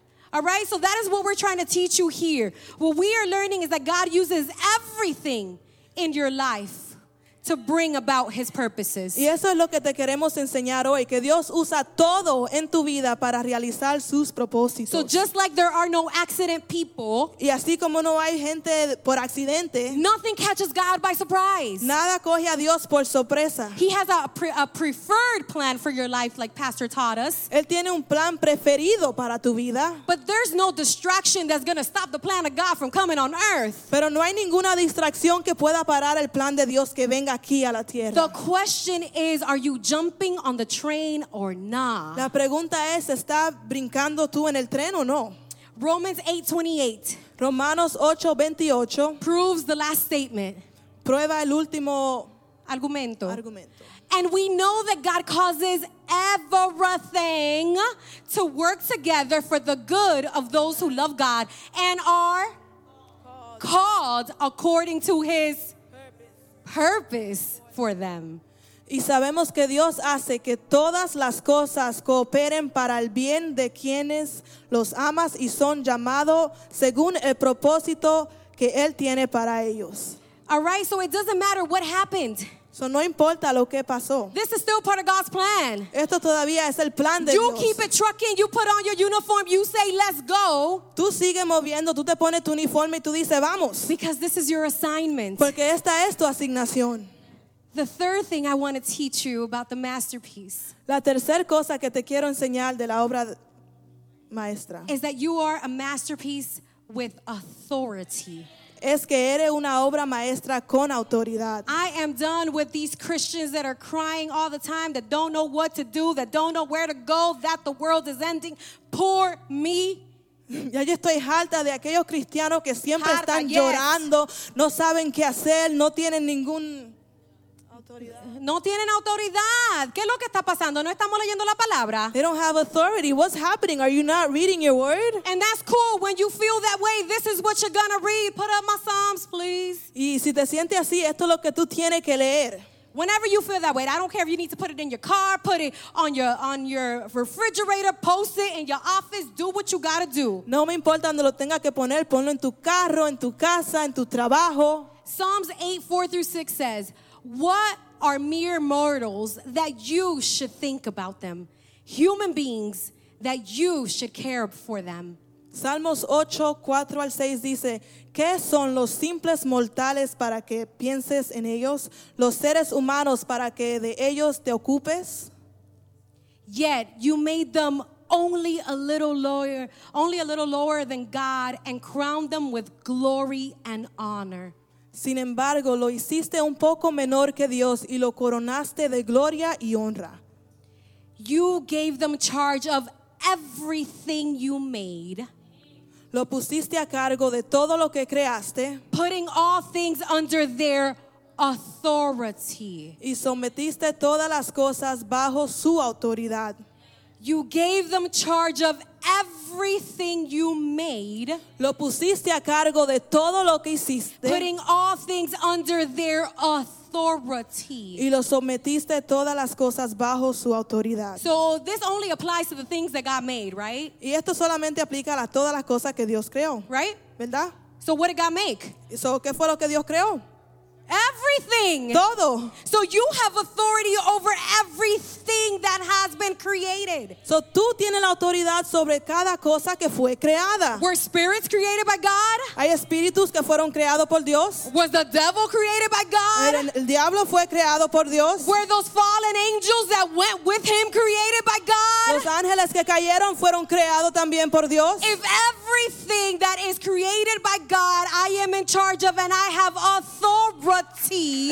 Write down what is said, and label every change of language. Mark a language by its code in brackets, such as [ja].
[en] All right, so that is what we're trying to teach you here. What we are learning is that God uses everything in your life. to bring about his purposes. [es] Y eso es lo que te queremos enseñar hoy, que Dios usa todo en tu vida para realizar sus propósitos. [en] So just like there are no accident people, [es] y así como no hay gente por accidente, [en] nothing catches God by surprise. [es] Nada coge a Dios por sorpresa. [en] He has a preferred plan for your life, like Pastor taught us. [es] Él tiene un plan preferido para tu vida. [en] But there's no distraction that's going to stop the plan of God from coming on earth. [es] Pero no hay ninguna distracción que pueda parar el plan de Dios que venga aquí a la tierra. [en] The question is, are you jumping on the train or not? [es] La pregunta es, ¿está brincando tú en el tren o no? [en] Romans 8:28. [es] Romanos 8:28 [en] proves the last statement. [es] Prueba el último argumento. [en] And we know that God causes everything to work together for the good of those who love God and are called according to his purpose for them. [es] Y sabemos que Dios hace que todas las cosas cooperen para el bien de quienes los amas y son llamados según el propósito que él tiene para ellos. [en] All right, so it doesn't matter what happened. [es] So no importa lo que pasó. [en] This is still part of God's plan. [es] Esto todavía es el plan de [en] you [es] Dios. [en] Keep it trucking, you put on your uniform, you say, let's go. [es] Tú sigue moviendo, tú te pones tu uniforme y tú dices, vamos. [en] Because this is your assignment. [es] Porque esta es tu asignación. [en] The third thing I want to teach you about the masterpiece. [es] La tercera cosa que te quiero enseñar de la obra maestra. [en] Is that you are a masterpiece with authority. [es] Es que eres una obra maestra con autoridad. [en] I am done with these Christians that are crying all the time, that don't know what to do, that don't know where to go, that the world is ending. Poor me. [es] Ya yo estoy harta de aquellos cristianos que siempre están llorando, no saben qué hacer, no tienen ningún No tienen autoridad. ¿Qué es lo que está pasando? No estamos leyendo la palabra. [en] They don't have authority. What's happening? Are you not reading your word? And that's cool when you feel that way. This is what you're gonna read. Put up my Psalms, please. [es] Y si te sientes así, esto es lo que tú tienes que leer. [en] Whenever you feel that way, I don't care if you need to put it in your car, put it on your refrigerator, post it in your office, do what you gotta do. [es] No me importa donde lo tengas que poner, ponlo en tu carro, en tu casa, en tu trabajo. [en] Psalms 8, 4 through 6 says, what are mere mortals that you should think about them? Human beings that you should care for them. [es] Salmos 8, 4 al 6 dice, ¿qué son los simples mortales para que pienses en ellos? ¿Los seres humanos para que de ellos te ocupes? [en] Yet you made them only a little lower than God and crowned them with glory and honor. [es] Sin embargo, lo hiciste un poco menor que Dios y lo coronaste de gloria y honra. [en] You gave them charge of everything you made. [es] Lo pusiste a cargo de todo lo que creaste. [en] Putting all things under their authority. [es] Y sometiste todas las cosas bajo su autoridad. [en] You gave them charge of everything you made. [es] Lo pusiste a cargo de todo lo que hiciste. [en] Putting all things under their authority. [es] Y lo sometiste todas las cosas bajo su autoridad. [en] So this only applies to the things that God made, right? [es] Y esto solamente aplica a todas las cosas que Dios creó. [en] Right? [es] ¿Verdad? [en] So what did God make? [es] So ¿qué fue lo que Dios creó? [en] Everything. [es] Todo. [en] So you have authority over everything that has been created. [es] So tú tienes la autoridad sobre cada cosa que fue creada. [en] Were spirits created by God? [es] Hay espíritus que fueron creados por Dios. [en] Was the devil created by God? [es] El diablo fue creado por Dios. [en] Were those fallen angels that went with him created by God? [es] Los ángeles que cayeron fueron creados también por Dios. [en] If everything that is created by God, I am in charge of and I have authority.